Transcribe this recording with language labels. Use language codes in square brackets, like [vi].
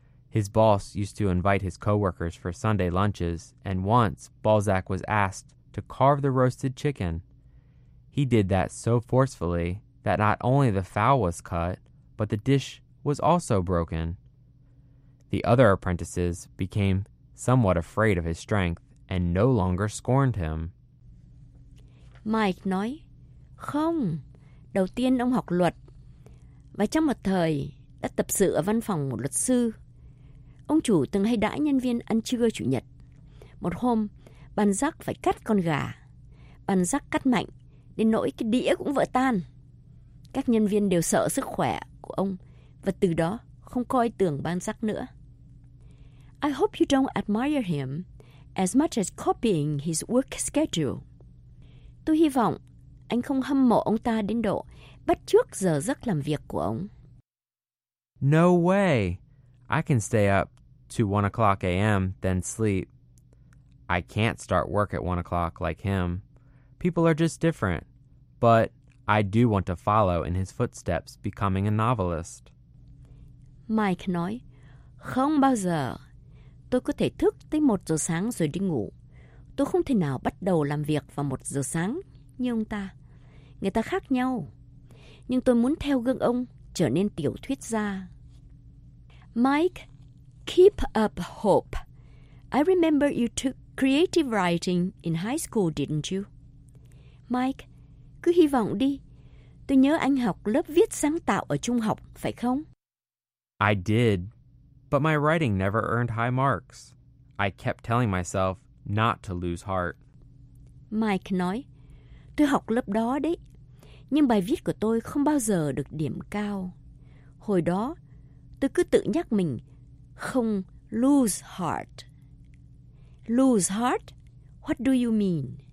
[en] His boss used to invite his coworkers for Sunday lunches and once Balzac was asked to carve the roasted chicken. He did that so forcefully that not only the fowl was cut, but the dish was also broken. The other apprentices became somewhat afraid of his strength, and no longer scorned him. [vi] Mike nói, không, đầu tiên ông học luật, và trong một thời đã tập sự ở văn phòng một luật sư. Ông chủ từng hay đãi nhân viên ăn trưa chủ nhật. Một hôm, bàn giác phải cắt con gà. Bàn giác cắt mạnh, đến nỗi cái đĩa cũng vỡ tan. Các nhân viên đều sợ sức khỏe của ông, và từ đó không coi tưởng bàn giác nữa. [en] I hope you don't admire him as much as copying his work schedule. [vi] Tôi hy vọng anh không hâm mộ ông ta đến độ bắt chước giờ giấc làm việc của ông. [en] No way! I can stay up to 1 o'clock a.m., then sleep. I can't start work at 1 o'clock like him. People are just different. But I do want to follow in his footsteps, becoming a novelist. [vi] Mike nói, không bao giờ. Tôi có thể thức tới 1 giờ sáng rồi đi ngủ. Tôi không thể nào bắt đầu làm việc vào 1 giờ sáng như ông ta. Người ta khác nhau. Nhưng tôi muốn theo gương ông trở nên tiểu thuyết gia. [en] Mike, keep up hope. I remember you took creative writing in high school, didn't you? [vi] Mike, cứ hy vọng đi. Tôi nhớ anh học lớp viết sáng tạo ở trung học, phải không? [en] I did, but my writing never earned high marks. I kept telling myself not to lose heart. [vi] Mike nói, tôi học lớp đó đấy, nhưng bài viết của tôi không bao giờ được điểm cao. Hồi đó, tôi cứ tự nhắc mình, không lose heart. [en] Lose heart? What do you mean?